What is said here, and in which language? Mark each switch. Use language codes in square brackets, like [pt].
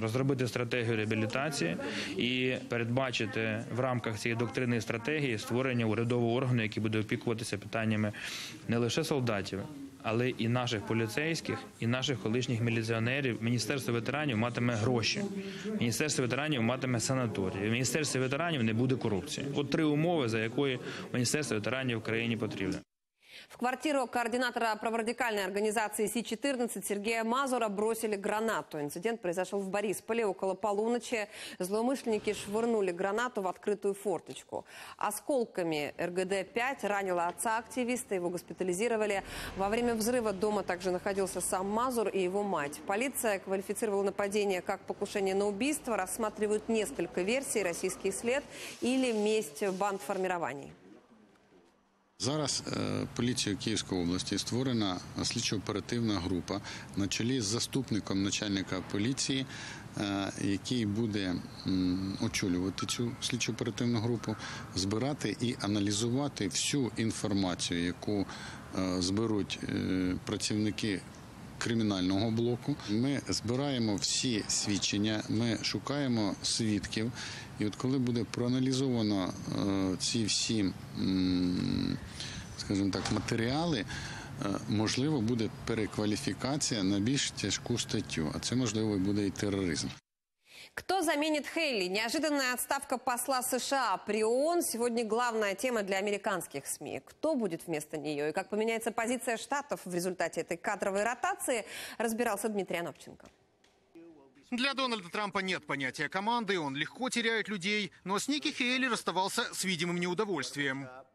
[uk] Розробити стратегію реабілітації і передбачити в рамках цієї доктрини і стратегії створення урядового органу, який буде опікуватися питаннями не лише солдатів, але і наших поліцейських, і наших колишніх міліціонерів. Міністерство ветеранів матиме гроші, Міністерство ветеранів матиме санаторії, в Міністерстві ветеранів не буде корупції. От три умови, за якої Міністерство ветеранів в країні потрібне. [ru] В квартиру координатора праворадикальной организации Си-14 Сергея Мазура бросили гранату. Инцидент произошел в Борисполе около полуночи. Злоумышленники швырнули гранату в открытую форточку. Осколками РГД-5 ранило отца активиста. Его госпитализировали. Во время взрыва дома также находился сам Мазур и его мать. Полиция квалифицировала нападение как покушение на убийство. Рассматривают несколько версий: российский след или месть бандформирований. [uk] Зараз поліція Київської області створена слідчо-оперативна група на чолі з заступником начальника поліції, який буде очолювати цю слідчо-оперативну групу, збирати і аналізувати всю інформацію, яку зберуть працівники кримінального блоку. Ми збираємо всі свідчення, ми шукаємо свідків. І от коли буде проаналізовано ці всі, скажімо так, матеріали, можливо, буде перекваліфікація на більш тяжку статтю, а це, можливо, буде і тероризм. [ru] Кто заменит Хейли? Неожиданная отставка посла США при ООН сегодня главная тема для американских СМИ. Кто будет вместо нее и как поменяется позиция штатов в результате этой кадровой ротации, разбирался Дмитрий Анопченко. Для Дональда Трампа нет понятия команды, он легко теряет людей, но с Ники Хейли расставался с видимым неудовольствием.